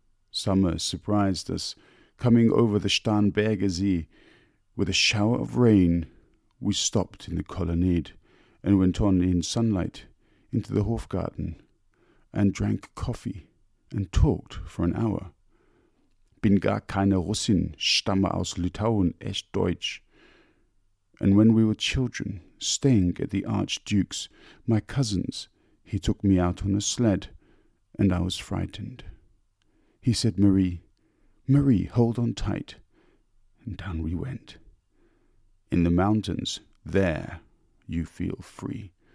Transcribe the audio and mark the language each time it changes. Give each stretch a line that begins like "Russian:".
English: Summer surprised us, coming over the Starnberger See. With a shower of rain, we stopped in the colonnade and went on in sunlight into the Hofgarten and drank coffee and talked for an hour.
German: Bin gar keine Russin, stamme aus Litauen, echt Deutsch.
English: And when we were children, staying at the Archduke's, my cousins, he took me out on a sled, and I was frightened. He said, Marie, Marie, hold on tight. And down we went. In the mountains, there, you feel free.